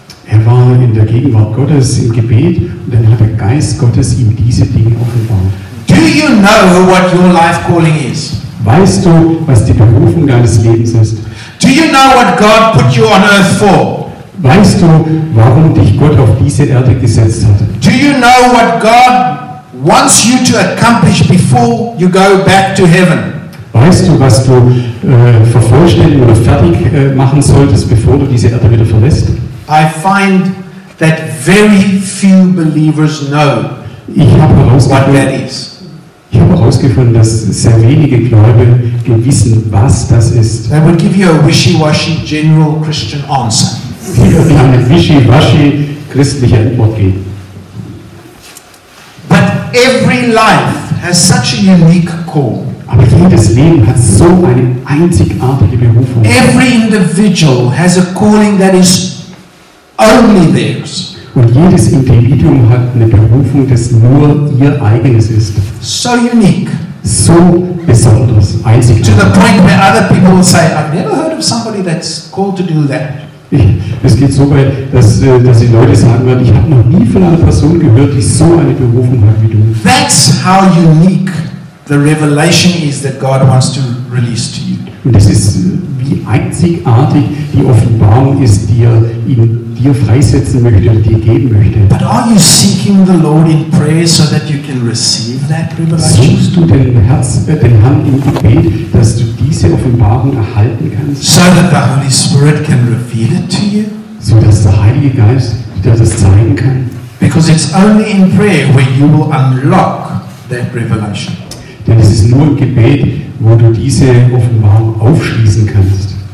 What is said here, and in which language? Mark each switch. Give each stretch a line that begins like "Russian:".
German: Er war in der Gegenwart Gottes im Gebet und dann hat der Geist Gottes ihm diese Dinge offenbart.
English: Do you know what your life calling is?
German: Weißt du, was die Berufung deines Lebens ist?
English: Do you know what God put you on earth for?
German: Weißt du, warum dich Gott auf diese Erde gesetzt hat?
English: Do you know what God wants you to accomplish before you go back to heaven?
German: Weißt du, was du vervollständigen oder fertig machen solltest, bevor du diese Erde wieder verlässt?
English: I find that very few believers know what that is.
German: Ich habe herausgefunden, dass sehr wenige Gläubige wissen, was das ist.
English: They would give you a wishy-washy general Christian answer.
German: Sie würden eine wishy-washy christliche Antwort geben.
English: But every life has such a unique call.
German: Aber jedes Leben hat so eine einzigartige Berufung.
English: Every individual has a calling that is only theirs.
German: Und jedes Individuum hat eine Berufung, das nur ihr eigenes ist.
English: So unique.
German: So besonders, einzigartig.
English: To the point where other people will say, I've never heard of somebody that's called to do that.
German: Es geht so weit, dass die Leute sagen werden, ich habe noch nie von einer Person gehört, die so eine Berufung hat wie du.
English: That's how unique the revelation is that God wants to release to you.
German: Und das ist, wie einzigartig die Offenbarung ist, die er in dir freisetzen möchte oder dir geben möchte.
English: But are you seeking the Lord in prayer so that you can receive that revelation?
German: Suchst du den Herrn im Gebet, dass du diese Offenbarung erhalten kannst?
English: So that the Holy Spirit can reveal it to you?
German: So dass der Heilige Geist dir das zeigen kann?
English: Because it's only in prayer where you will unlock that revelation.
German: Denn es ist nur im Gebet, wo du diese Offenbarung aufschließen kannst.